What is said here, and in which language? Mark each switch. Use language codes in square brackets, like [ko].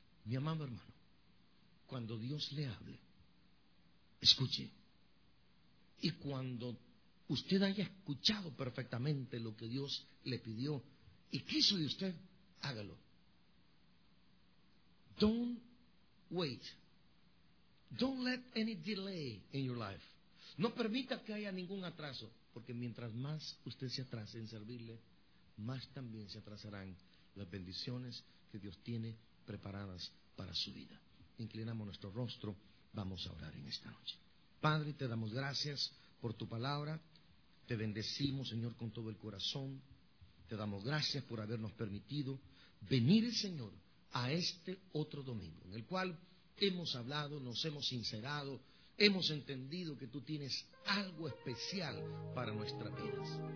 [es] Mi amado hermano, cuando Dios le hable, escuche. Y cuando usted haya escuchado perfectamente lo que Dios le pidió y quiso de usted, hágalo. [en] Don't wait. Don't let any delay in your life. [es] No permita que haya ningún atraso, porque mientras más usted se atrase en servirle, más también se atrasarán las bendiciones que Dios tiene preparadas para su vida. Inclinamos nuestro rostro, vamos a orar en esta noche. Padre, te damos gracias por tu palabra, te bendecimos, Señor, con todo el corazón, te damos gracias por habernos permitido venir, Señor, a este otro domingo, en el cual hemos hablado, nos hemos sincerado, hemos entendido que tú tienes algo especial para nuestras vidas.